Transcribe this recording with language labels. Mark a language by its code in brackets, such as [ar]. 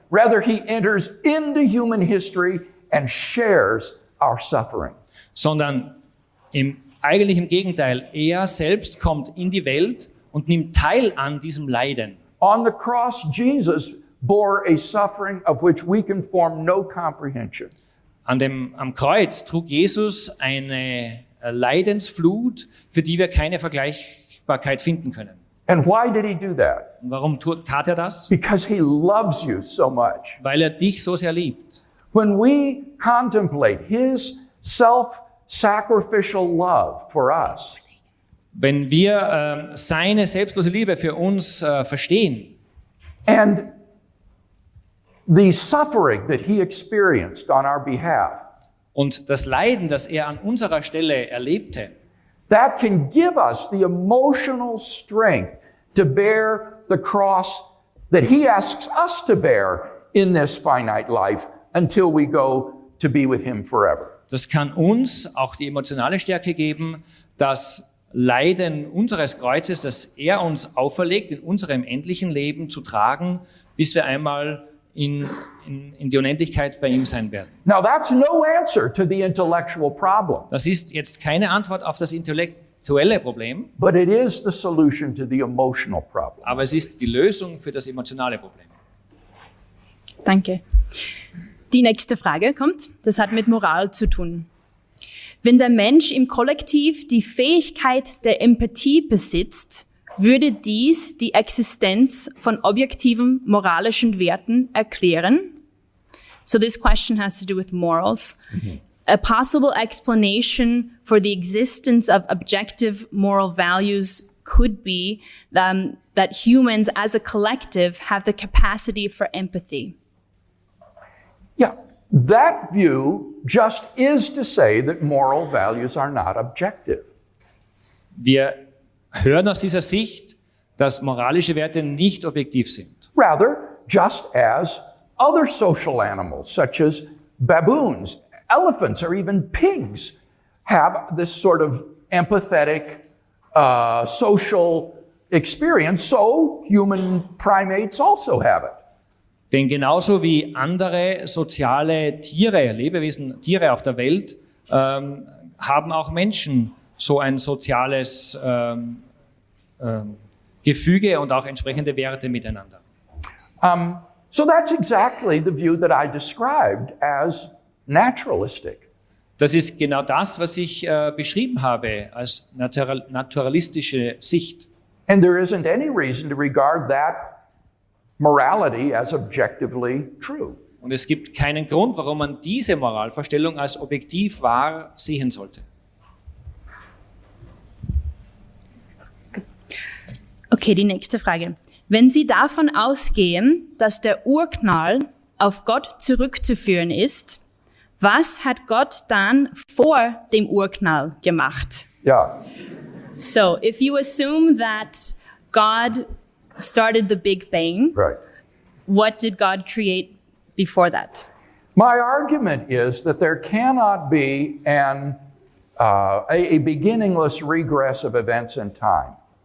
[en] Rather he enters into human history and shares our suffering. [de] Sondern eigentlich im Gegenteil, er selbst kommt in die Welt und nimmt teil an diesem Leiden. [en] On the cross Jesus bore a suffering of which we can form no comprehension. [de] Am Kreuz trug Jesus eine Leidensflut, für die wir keine Vergleichbarkeit finden können. [en] And why did he do that? [de] Warum tat er das? [en] Because he loves you so much. [de] Weil dich so sehr liebt. [en] When we contemplate his self-sacrificial love for us, [de] wenn wir seine selbstlose Liebe für uns verstehen, [en] and the suffering that he experienced on our behalf, [de] und das Leiden, das an unserer Stelle erlebte, [en] that can give us the emotional strength to bear the cross that he asks us to bear in this finite life until we go to be with him forever. [de] Das kann uns auch die emotionale Stärke geben, das Leiden unseres Kreuzes, das uns auferlegt, in unserem endlichen Leben zu tragen, bis wir einmal in die Unendlichkeit bei ihm sein werden. [en] Now that's no answer to the intellectual problem. [de] Das ist jetzt keine Antwort auf das intellektuelle Problem. [en] But it is the solution to the emotional problem. [de] Aber es ist die Lösung für das emotionale Problem. Danke. Die nächste Frage kommt, das hat mit Moral zu tun. Wenn der Mensch im Kollektiv die Fähigkeit der Empathie besitzt, würde dies die Existenz von objektiven moralischen Werten erklären? [en] So this question has to do with morals. Mm-hmm. A possible explanation for the existence of objective moral values could be that humans as a collective have the capacity for empathy. Yeah, that view just is to say that moral values are not objective. [de] Wir hören aus dieser Sicht, dass moralische Werte nicht objektiv sind. [en] Rather, just as other social animals, such as baboons, elephants, or even pigs, have this sort of empathetic social experience, so human primates also have it. [de] Denn genauso wie andere soziale Tiere, Lebewesen, Tiere auf der Welt, haben auch Menschen so ein soziales Gefüge und auch entsprechende Werte miteinander. [en] So that's exactly the view that I described as naturalistic. [de] Das ist genau das, was ich beschrieben habe als naturalistische Sicht. [en] And there isn't any reason to regard that morality as objectively true. [de] Und es gibt keinen Grund, warum man diese Moralvorstellung als objektiv wahr sehen sollte. Okay, die nächste Frage. Wenn Sie davon ausgehen, dass der Urknall auf Gott zurückzuführen ist, was hat Gott dann vor dem Urknall gemacht? Ja. [en] So, if you assume that God started the Big Bang, right. What did God create before that? My argument is that there cannot be a beginningless regress of events in time.